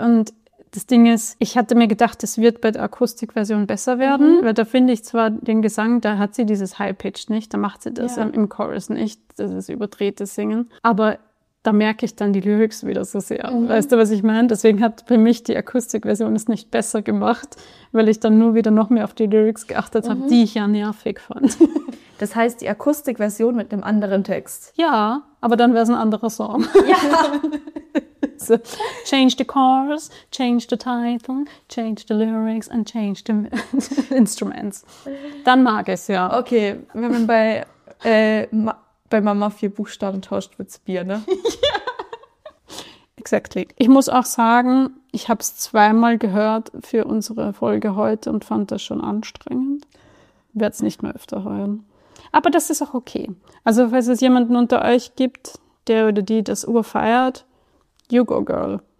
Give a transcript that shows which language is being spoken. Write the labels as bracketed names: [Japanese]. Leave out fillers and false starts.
[German] Und das Ding ist, ich hatte mir gedacht, es wird bei der Akustikversion besser werden, weil da finde ich zwar den Gesang, da hat sie dieses High-Pitch nicht, da macht sie das im Chorus nicht, das ist überdrehte Singen, aber da merke ich dann die Lyrics wieder so sehr. Mhm. Weißt du, was ich meine? Deswegen hat für mich die Akustikversion es nicht besser gemacht, weil ich dann nur wieder noch mehr auf die Lyrics geachtet habe, die ich ja nervig fand. Das heißt, die Akustikversion mit einem anderen Text. Ja, aber dann wäre es ein anderer Song. Ja. [English] So, change the chorus, change the title, change the lyrics and change the instruments. [German] Dann mag es, ja. Okay, wenn man bei Mama vier Buchstaben tauscht, wird es Bier, ne? Ja. Exactly. Ich muss auch sagen, ich habe es zweimal gehört für unsere Folge heute und fand das schon anstrengend. Werde es nicht mehr öfter hören. Aber das ist auch okay. Also falls es jemanden unter euch gibt, der oder die das urfeiert, [English] you go, girl.